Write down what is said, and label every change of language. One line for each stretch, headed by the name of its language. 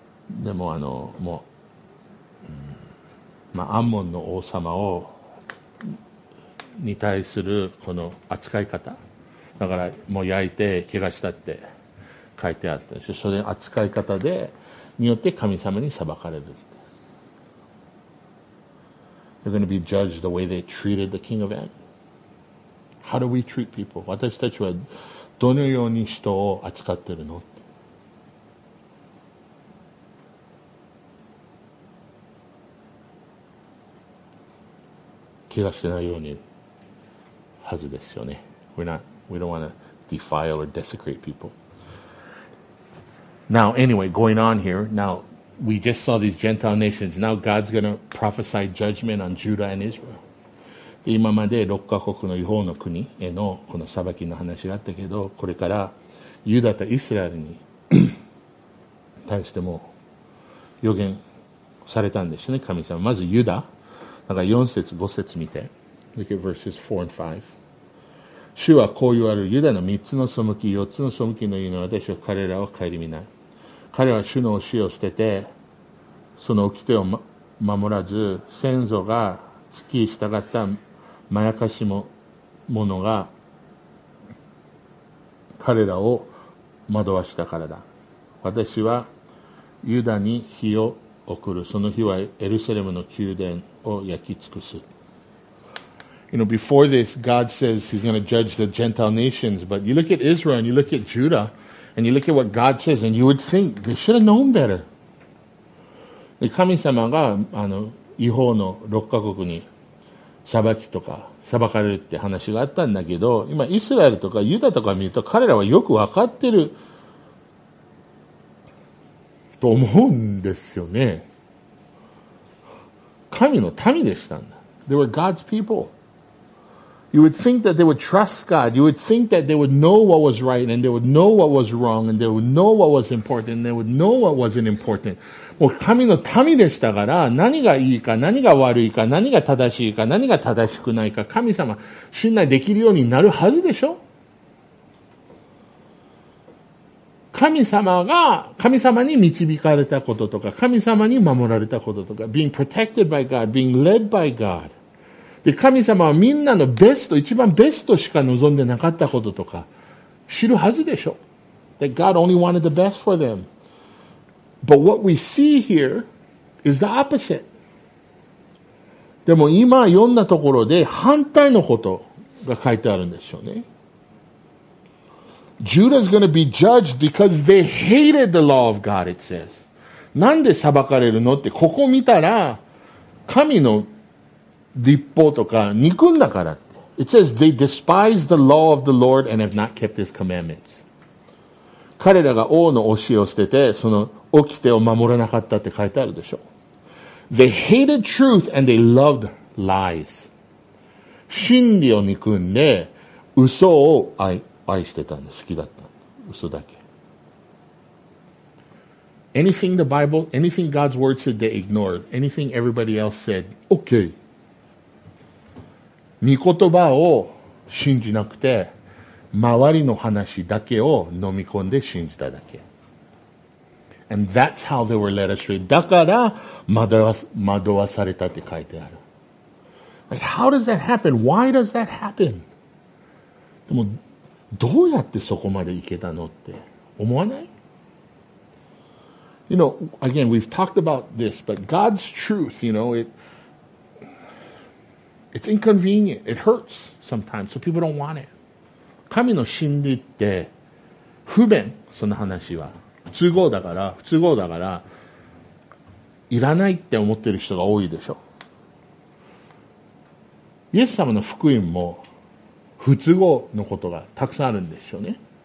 Japanese: でも、もう、まあ、アモンの王様を、に対する、この扱い方。だから、もう焼いて、怪我したって書いてあったでしょ。それの扱い方で、によって神様に裁かれる。
English: They're going to be judged the way they treated the king of Ammon. How do we treat people?
Japanese: 私たちはどのように人を扱っているの? けがしてないようにはずですよね。
English: We don't want to defile or desecrate people. Now, anyway, going on here. Now, we just saw these Gentile nations. Now, God's going to prophesy judgment on Judah and Israel.
Japanese: 今まで6カ国の異邦の国へのこの裁きの話があったけど、これからユダとイスラエルに対しても予言されたんですよね、神様。まずユダ。だから4節、5節見て。 Look at verses 4 and 5. 主はこう言われる。ユダの3つの背き、4つの背きの言うのは私は彼らを顧みない。彼は主の教えを捨てて、その掟を守らず、先祖が付き従ったまやかしも、ものが彼らを惑わしたからだ。私はユダに火を送る。その火はエルサレムの宮殿を焼き尽くす。
English: You know, before this, God says he's going to judge the Gentile nations, but you look at Israel and you look at Judah, and you look at what God says, and you would think they should have known better.
Japanese: 神様が、あの、異邦の六カ国に裁きとか、裁かれるって話があったんだけど、今、イスラエルとかユダとか見ると、彼らはよくわかってると思うんですよね。神の民でしたんだ。
English: They were God's people. You would think that they would trust God. You would think that they would know what was right, and they would know what was wrong, and they would know what was important, and they would know what wasn't important.
Japanese: もう神の民でしたから、何がいいか、何が悪いか、何が正しいか、何が正しくないか、神様、信頼できるようになるはずでしょ？神様が、神様に導かれたこととか、神様に守られたこととか、
English: being protected by God,
Japanese: being led by God。で、神様はみんなのベスト、一番ベストしか望んでなかったこととか、知るはずでしょ？
English: That God only wanted the best for them. But what we see here is the opposite.
Japanese: でも今読んだところで反対のことが書いてあるんでしょうね。
English: Judah is going to be judged because they hated the law of God, it says.
Japanese: なんで裁かれるのってここ見たら神の律法とか憎んだから。
English: It says they despise the law of the Lord and have not kept his commandments.
Japanese: 彼らが王の教えを捨ててその起きてを守らなかったって書いてあるでしょ。
English: They hated truth and they loved lies.
Japanese: 真理を憎んで嘘を愛してたんです。好きだった。嘘だけ。
English: Anything the Bible, anything God's word said, they ignored. Anything everybody else said, okay.
Japanese: 御言葉を信じなくて、周りの話だけを飲み込んで信じただけ。
English: And that's how they were led astray.
Japanese: だから惑わされたって書いてある。
English: Like, how does that happen? Why does that happen?
Japanese: でも、どうやってそこまで行けたのって思わない？
English: You know, again, we've talked about this, but God's truth, you know, it's inconvenient. It hurts sometimes, so people don't want it.
Japanese: 神の真理って不便、そんな話は。不都合だから、いらないって思ってる人が多いでしょ。イエス様の福音も、不都合のことがたくさんあるんでしょうね。